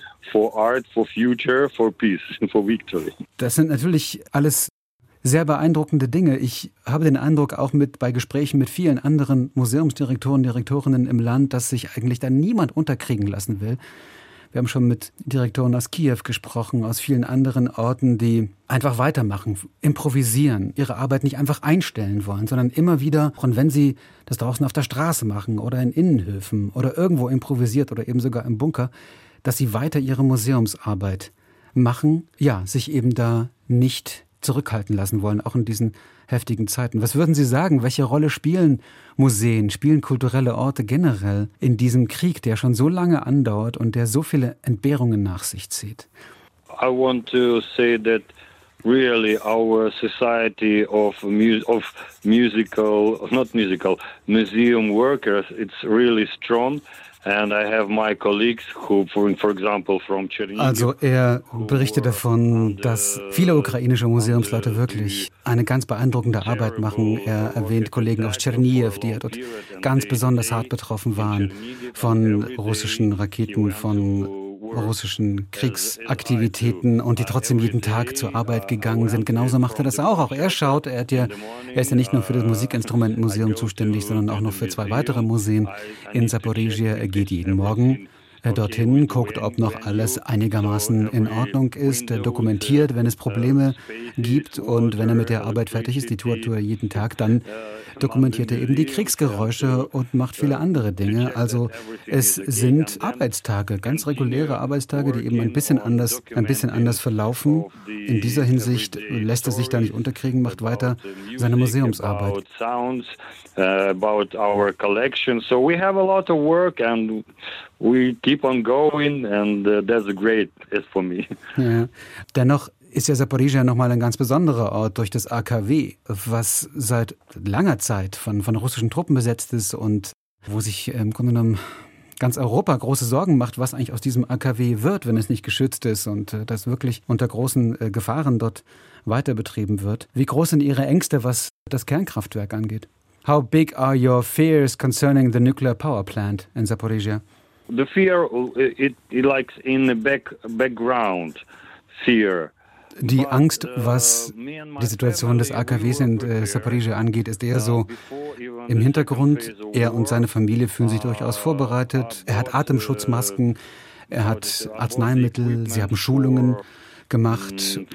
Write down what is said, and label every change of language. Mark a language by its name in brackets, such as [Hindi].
[English] For art, for future, for peace, for victory. [German] Das sind natürlich alles sehr beeindruckende Dinge. Ich habe den Eindruck, auch bei Gesprächen mit vielen anderen Museumsdirektoren, Direktorinnen im Land, dass sich eigentlich da niemand unterkriegen lassen will. Wir haben schon mit Direktoren aus Kiew gesprochen, aus vielen anderen Orten, die einfach weitermachen, improvisieren, ihre Arbeit nicht einfach einstellen wollen, sondern immer wieder, und wenn sie das draußen auf der Straße machen oder in Innenhöfen oder irgendwo improvisiert oder eben sogar im Bunker, dass sie weiter ihre Museumsarbeit machen, ja, sich eben da nicht zurückhalten lassen wollen, auch in diesen heftigen Zeiten. Was würden Sie sagen, welche Rolle spielen Museen, spielen kulturelle Orte generell in diesem Krieg, der schon so lange andauert und der so viele Entbehrungen nach sich zieht? [English] I want to say that really our society of musical, not musical, museum workers, it's really strong. And I have my colleagues who, for example, from Chernihiv. [German] Also er berichtet davon, dass viele ukrainische Museumsleute wirklich eine ganz beeindruckende Arbeit machen. Er erwähnt Kollegen aus Chernihiv, die ja dort ganz besonders hart betroffen waren von russischen Raketen, von russischen Kriegsaktivitäten und die trotzdem jeden Tag zur Arbeit gegangen sind. Genauso macht er das auch. Auch er schaut, er ist ja nicht nur für das Musikinstrumentenmuseum zuständig, sondern auch noch für zwei weitere Museen in Saporizhia. Er geht jeden Morgen dorthin, guckt, ob noch alles einigermaßen in Ordnung ist, dokumentiert, wenn es Probleme gibt, und wenn er mit der Arbeit fertig ist, die Tour jeden Tag, dann dokumentiert er eben die Kriegsgeräusche und macht viele andere Dinge. Also es sind Arbeitstage, ganz reguläre Arbeitstage, die eben ein bisschen anders verlaufen. In dieser Hinsicht lässt er sich da nicht unterkriegen, macht weiter seine Museumsarbeit. [English] About our collection. So we have a lot of work and we keep on going and that's great for me. [German] Ja. Dennoch ist ja Saporizhia nochmal ein ganz besonderer Ort durch das AKW, was seit langer Zeit von russischen Truppen besetzt ist und wo sich im Grunde genommen ganz Europa große Sorgen macht, was eigentlich aus diesem AKW wird, wenn es nicht geschützt ist und das wirklich unter großen Gefahren dort weiter betrieben wird. Wie groß sind Ihre Ängste, was das Kernkraftwerk angeht? [English] How big are your fears concerning the nuclear power plant in Saporizhia? The fear, it likes in the background fear. [German] Die Angst, was die Situation des AKWs in Saporizhia angeht, ist eher so im Hintergrund. Er und seine Familie fühlen sich durchaus vorbereitet. Er hat Atemschutzmasken, er hat Arzneimittel, sie haben Schulungen gemacht.